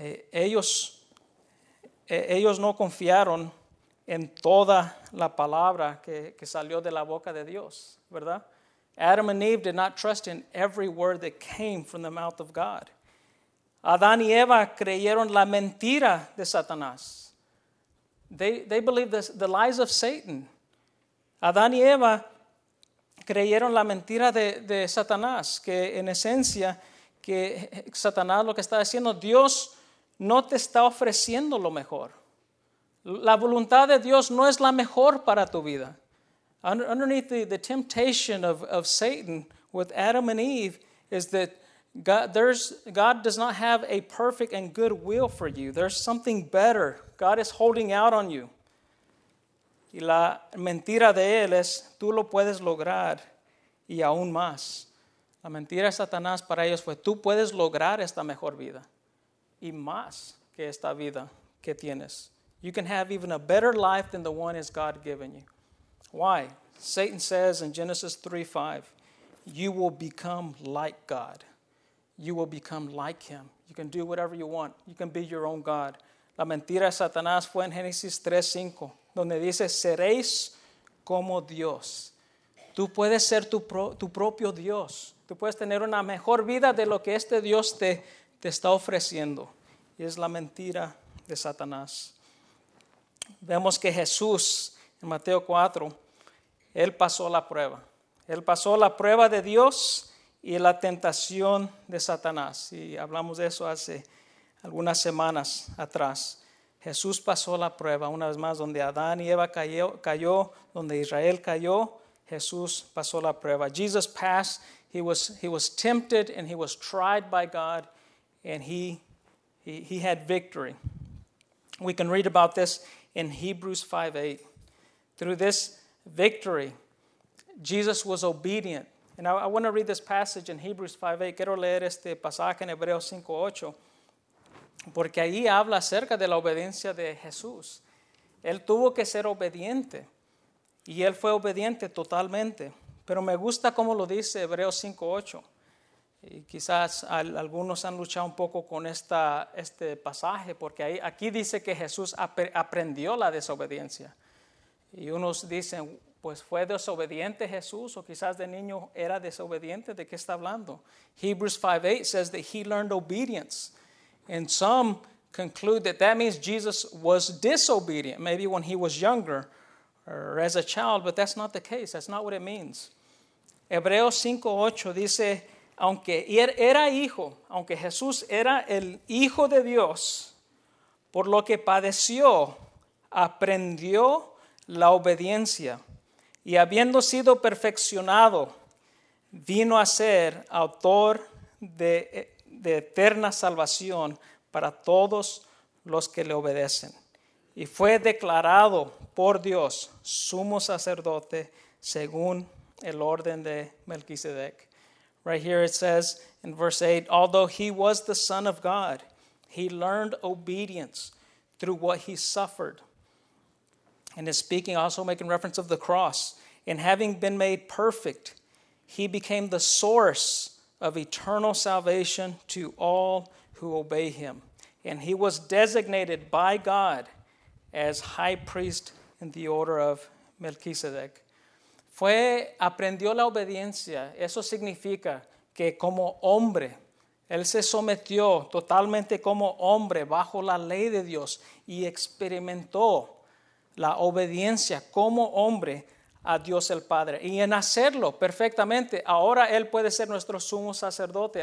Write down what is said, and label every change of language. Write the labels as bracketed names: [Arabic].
[Spanish] Ellos no confiaron en toda la palabra que salió de la boca de Dios, ¿verdad? [English] Adam and Eve did not trust in every word that came from the mouth of God. [Spanish] Adán y Eva creyeron la mentira de Satanás. [English] They believed the lies of Satan. [Spanish] Adán y Eva creyeron la mentira de Satanás, que en esencia, que Satanás lo que está diciendo, Dios no te está ofreciendo lo mejor. La voluntad de Dios no es la mejor para tu vida. [English] Underneath the temptation of Satan with Adam and Eve is that God does not have a perfect and good will for you. There's something better. God is holding out on you. [Spanish] Y la mentira de él es, tú lo puedes lograr y aún más. La mentira de Satanás para ellos fue, tú puedes lograr esta mejor vida y más que esta vida que tienes. [English] You can have even a better life than the one is God given you. Why? Satan says in Genesis 3:5, you will become like God. You will become like him. You can do whatever you want. You can be your own God. [Spanish] La mentira de Satanás fue en Génesis 3:5, donde dice, seréis como Dios. Tú puedes ser tu propio Dios. Tú puedes tener una mejor vida de lo que este Dios te está ofreciendo. Y es la mentira de Satanás. Vemos que Jesús, en Mateo 4, Él pasó la prueba. Él pasó la prueba de Dios y la tentación de Satanás. Y hablamos de eso hace algunas semanas atrás. Jesús pasó la prueba, una vez más, donde Adán y Eva cayó, donde Israel cayó, Jesús pasó la prueba. [English] Jesus passed, he was tempted and he was tried by God, and he had victory. We can read about this in Hebrews 5:8. Through this victory, Jesus was obedient. And I want to read this passage in Hebrews 5:8. [Spanish] Quiero leer este pasaje en Hebreos 5:8. Porque ahí habla acerca de la obediencia de Jesús. Él tuvo que ser obediente. Y él fue obediente totalmente. Pero me gusta cómo lo dice Hebreos 5:8. Y quizás algunos han luchado un poco con este pasaje. Porque aquí dice que Jesús aprendió la desobediencia. Y unos dicen, pues fue desobediente Jesús, o quizás de niño era desobediente, ¿de qué está hablando? [English] Hebrews 5:8 says that he learned obedience. And some conclude that means Jesus was disobedient, maybe when he was younger or as a child, but that's not the case, that's not what it means. [Spanish] Hebreos 5:8 dice, aunque era hijo, aunque Jesús era el hijo de Dios, por lo que padeció, aprendió la obediencia. Y habiendo sido perfeccionado, vino a ser autor de eterna salvación para todos los que le obedecen. Y fue declarado por Dios sumo sacerdote según el orden de Melquisedec. [English] Right here it says in verse 8, although he was the Son of God, he learned obedience through what he suffered. And is speaking, also making reference of the cross. And having been made perfect, he became the source of eternal salvation to all who obey him. And he was designated by God as high priest in the order of Melchizedek. [Spanish] Fue, aprendió la obediencia. Eso significa que como hombre, él se sometió totalmente como hombre bajo la ley de Dios y experimentó la obediencia como hombre a Dios el Padre. Y en hacerlo perfectamente, ahora Él puede ser nuestro sumo sacerdote.